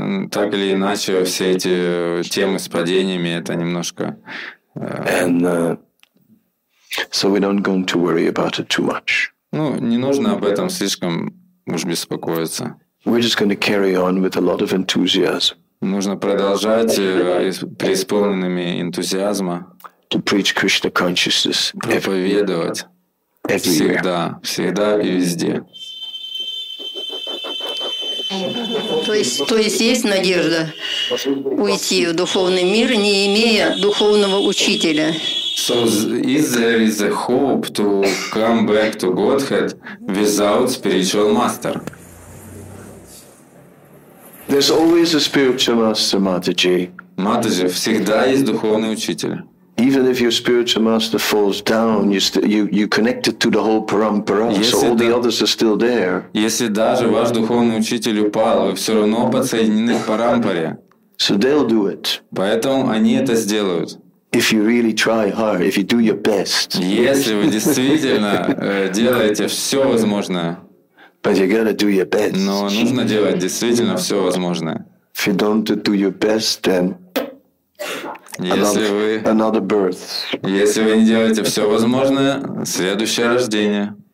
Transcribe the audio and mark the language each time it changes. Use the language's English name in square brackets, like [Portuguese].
[Russian] Так или иначе, все эти темы с падениями это немножко. [English] And so we don't going to worry about it too much. [Russian] Ну, не нужно об этом слишком уж беспокоиться. [English] We're just going to carry on with a lot of enthusiasm. [Russian] Нужно продолжать преисполненными энтузиазма. [English] To preach Krishna consciousness. [Russian] Проповедовать. Всегда, всегда и везде. То есть есть надежда уйти в духовный мир, не имея духовного учителя. [English] So is there is a hope to come back to Godhead without spiritual master? There's always a spiritual master, Mataji. [Russian] Mataji, всегда есть духовный учитель. [English] Even if your spiritual master falls down, you connected to the whole parampara, so all the others are still there. [Russian] Если даже ваш духовный учитель упал, вы все равно подсоединены к парампаре. [English] So they'll do it. [Russian] Поэтому они это сделают. [English] If you really try hard, if you do your best. [Russian] Если вы действительно делаете все возможное. [English] But you gotta do your best. [Russian] Но нужно делать действительно все возможное. [English] If you don't do your best, then another birth. [Russian] Если вы не делаете все возможное, следующее рождение.